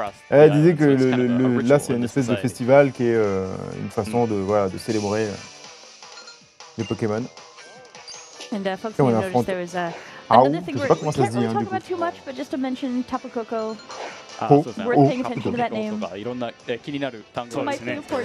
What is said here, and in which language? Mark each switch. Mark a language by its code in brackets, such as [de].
[fr] Elle disait que là, c'est une espèce de festival qui est une façon de célébrer les Pokémon. [en] And folks may notice there was another thing we're not talking about too much, but just to mention Tapu Koko. Worth paying attention to that name. [ja] いろんな気になる単語ですね。